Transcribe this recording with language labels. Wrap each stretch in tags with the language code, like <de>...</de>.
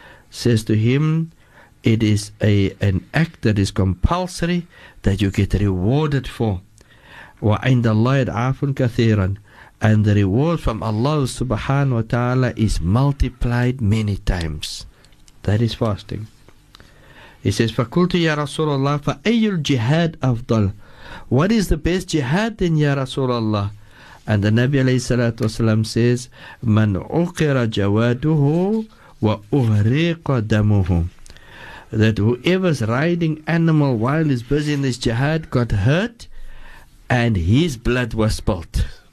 <en>Says to him, it is an act that is compulsory that you get rewarded for.</en> <ar>Wa inda Allahi ad'afun kathiran.</ar> <en>And the reward from Allah subhanahu wa ta'ala is multiplied many times. That is fasting. He says,</en> <ar>فَقُلْتُ يَا رَسُولَ اللَّهِ فَأَيُّ الْجِهَادِ أَفْضَلُ.</ar> <en>What is the best jihad then, ya Rasulullah? And the Nabi alayhi salatu wasalam says,</en> <ar>مَنْ عُقِرَ جَوَادُهُ وَأُهْرِقَ دَمُهُ.</ar> <en>That whoever's riding animal while he's busy in this jihad got hurt and his blood was spilt.</en>